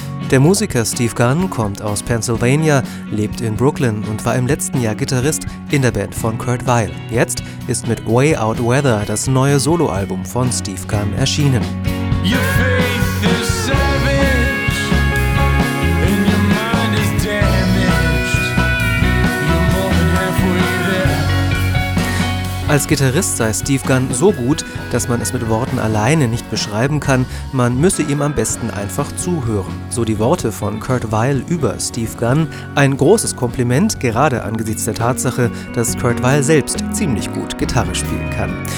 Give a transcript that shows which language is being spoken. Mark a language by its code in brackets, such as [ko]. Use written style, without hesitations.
[de] Der Musiker Steve Gunn kommt aus Pennsylvania, lebt in Brooklyn und war im letzten Jahr Gitarrist in der Band von Kurt Weill. Jetzt ist mit Way Out Weather das neue Soloalbum von Steve Gunn erschienen. [en] Your faith is savage, and your mind is damaged. You're more than halfway there. [de] Als Gitarrist sei Steve Gunn so gut, dass man es mit Worten alleine nicht beschreiben kann. Man müsse ihm am besten einfach zuhören. So die Worte von Kurt Weill über Steve Gunn. Ein großes Kompliment, gerade angesichts der Tatsache, dass Kurt Weill selbst ziemlich gut Gitarre spielen kann.